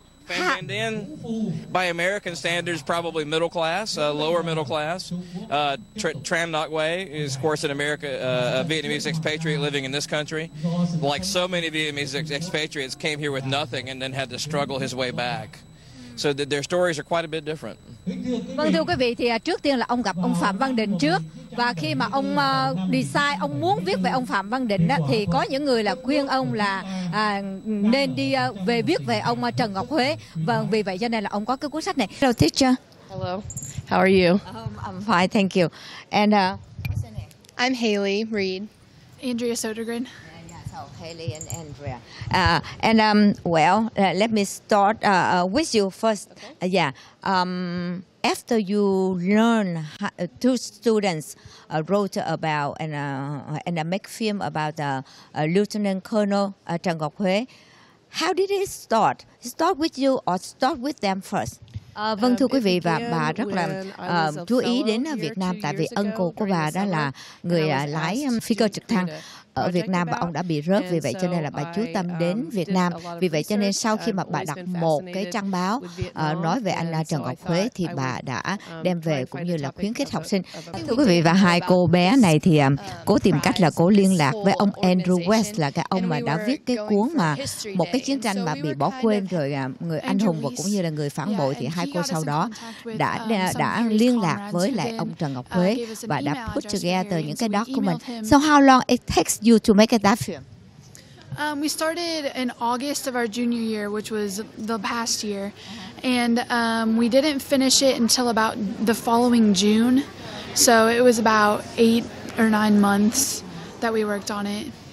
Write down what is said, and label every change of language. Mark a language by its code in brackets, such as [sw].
[en] Pham Van Den, by American standards, probably middle class, lower middle class. Tran Nhat Way is, of course, in America, a Vietnamese expatriate living in this country. Like so many Vietnamese expatriates, came here with nothing and then had to struggle his way back. So their stories are quite a bit different. [vi] Vâng, thưa quý vị, thì trước tiên là ông gặp ông Phạm Văn Định trước. Và khi mà ông decide, ông muốn viết về ông Phạm Văn Định đó, thì có những người là khuyên ông là nên đi về viết về ông Trần Ngọc Huế. Vâng, vì vậy cho nên là ông có cái cuốn sách này. [en] Hello, teacher. Hello. How are you? I'm fine, thank you. And what's your name? I'm Hayley Reed. Andrea Sodergren. Hayley and Andrea. Let me start with you first. Okay. After you learn two students wrote about and make film about Lieutenant Colonel Trần Ngọc Huế, how did it start? Start with you or start with them first? [vi] Vâng, thưa quý vị, và bà rất là chú ý đến Việt Nam, tại vì uncle của bà đó là người lái phi cơ trực thăng. ở Việt Nam và ông đã bị rớt, vì vậy cho nên là bà chú tâm đến Việt Nam. Vì vậy cho nên sau khi mà bà đọc một cái trang báo nói về anh Trần Ngọc Huế thì bà đã đem về cũng như là khuyến khích học sinh. Thưa quý vị, và hai cô bé này thì cố tìm cách là cố liên lạc với ông Andrew West, là cái ông mà đã viết cái cuốn mà một cái chiến tranh mà bị bỏ quên rồi, người anh hùng và cũng như là người phản bội. Thì hai cô sau đó đã liên lạc với lại ông Trần Ngọc Huế và đã put together những cái document. [en] So how long it takes you to make a document? We started in August of our junior year, which was the past year, and we didn't finish it until about the following June. So it was about 8 or 9 months that we worked on it.